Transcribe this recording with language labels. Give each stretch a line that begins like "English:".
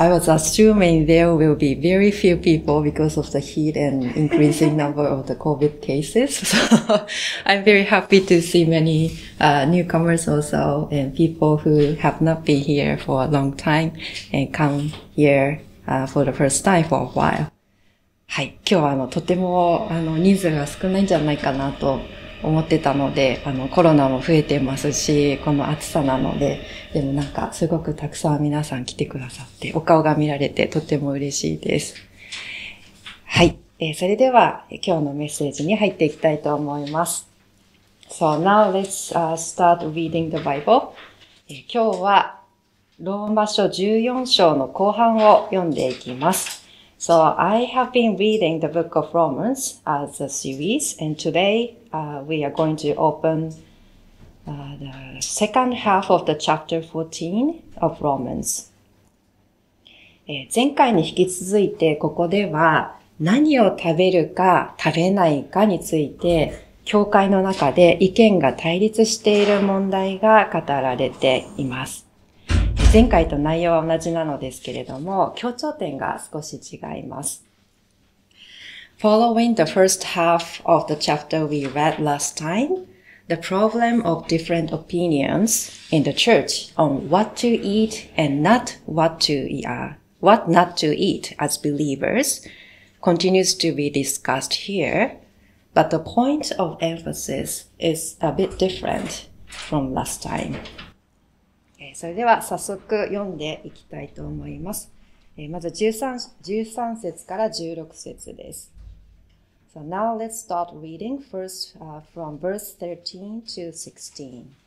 English: I was assuming there will be very few people because of the heat and increasing number of the COVID cases. So I'm very happy to see many, newcomers also and people who have not been here for a long time and come here, for the first time for a while.
Japanese: はい。今日はとても人数が少ないんじゃないかなと。思ってたので、コロナも増えてますし、この暑さなので、でもなんかすごくたくさん皆さん来てくださって、お顔が見られてとっても嬉しいです。はい。それでは今日のメッセージに入っていきたいと思います。
English: So now let's start reading the Bible.
Japanese: 今日はローマ書14章の後半を読んでいきます。
English: So I have been reading the book of Romans as a series and today we are going to open the second half of the chapter 14 of Romans.
Japanese: 前回に引き続いてここでは何を食べるか食べないかについて教会の中で意見が対立している問題が語られています。前回と内容は同じなのですけれども、強調点が少し違います。
English: Following the first half of the chapter we read last time, the problem of different opinions in the church on what to eat and not what to what not to eat as believers continues to be discussed here, but the point of emphasis is a bit different from last time.
Japanese: それでは早速読んでいきたいと思います。まず 13節から16節です。
English: So now let's start reading first from verse 13 to 16.